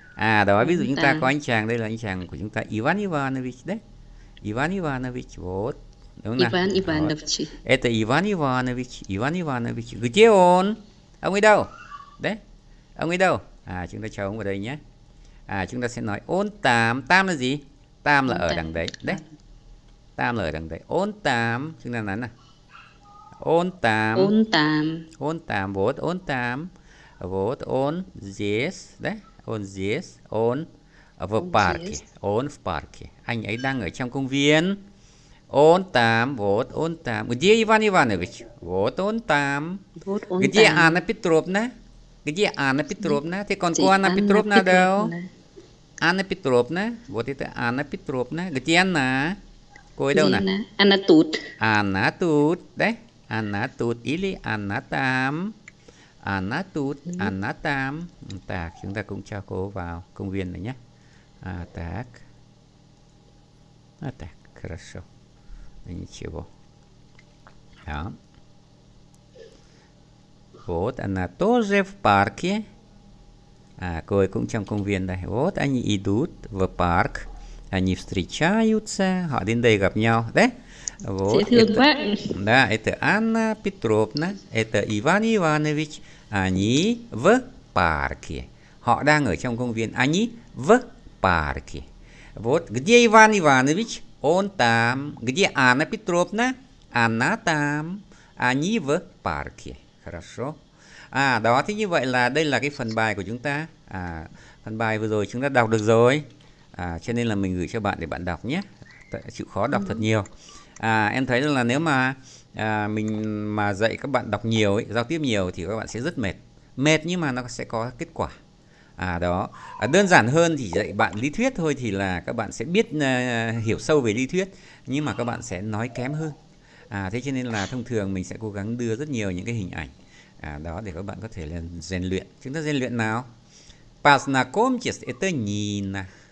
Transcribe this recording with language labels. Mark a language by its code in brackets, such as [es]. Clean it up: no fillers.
[vi] À, đó, ví dụ chúng ta có anh chàng, đây là anh chàng của chúng ta, Ivan Ivanovich, đấy. [ru] Ivan Ivanovich, вот. [vi] Đúng không [ru] Ivan Ivanovich. Это Иван Иванович, Иван Иванович. Где он? [vi] Ông ấy đâu? Đấy. Ông ấy đâu? À, chúng ta chào ông vào đây nhé. À, chúng ta sẽ nói [ru] он там. [vi] Там là gì? Там là ở đằng đấy, đấy. Там là ở đằng đấy. [ru] Он там. [vi] Chúng ta nói nào. [ru] Он там. Он там. Он там, вот, он там. Вот, он здесь, đấy. Он здесь, он в парке, он в парке. [vi] Anh ấy đang ở trong công viên. [ru] Он там, вот он там. Где Иван Иванович? Вот он там. Вот он Где там. Анна Петровна? Где Анна Петровна? [vi] Thế còn cô Анна Петровна đâu? [ru] Анна Петровна, вот это Анна Петровна. Где она? [vi] Cô ấy đâu nè? [ru] Anna tut. Anna tut, đấy. Anna tut, или Anna там. Anna tut, Anna tam. [vi] Tạc, chúng ta cũng cho cô vào công viên này nhé. [ru] À, tạc. À, tạc, хорошо. Ничего. Đó. Вот, Anna тоже в парке. [vi] À, cô ấy cũng trong công viên đây. [ru] Вот, они идут в парк. Они встречаются. [vi] Họ đến đây gặp nhau. [ru] Đấy. Вот, [vi] dễ thương quá. [ru] Да, это Анна Петровна. Это Иван Иванович. Они в парке. [vi] Họ đang ở trong công viên. [ru] Они в парке. Вот. Где Иван Иванович? Он там. Где Анна Петровна? Она там. Они в парке. Хорошо. [vi] À, đó, thế như vậy là đây là cái phần bài của chúng ta. À, phần bài vừa rồi chúng ta đọc được rồi. À, cho nên là mình gửi cho bạn để bạn đọc nhé. Chịu khó đọc thật nhiều. À, em thấy là nếu mà mình mà dạy các bạn đọc nhiều ấy, giao tiếp nhiều thì các bạn sẽ rất mệt. Mệt nhưng mà nó sẽ có kết quả. À đó. À, đơn giản hơn thì dạy bạn lý thuyết thôi thì là các bạn sẽ biết hiểu sâu về lý thuyết nhưng mà các bạn sẽ nói kém hơn. À thế cho nên là thông thường mình sẽ cố gắng đưa rất nhiều những cái hình ảnh. À đó để các bạn có thể rèn luyện. Chúng ta rèn luyện nào. [ru] Познакомьтесь, это Нина.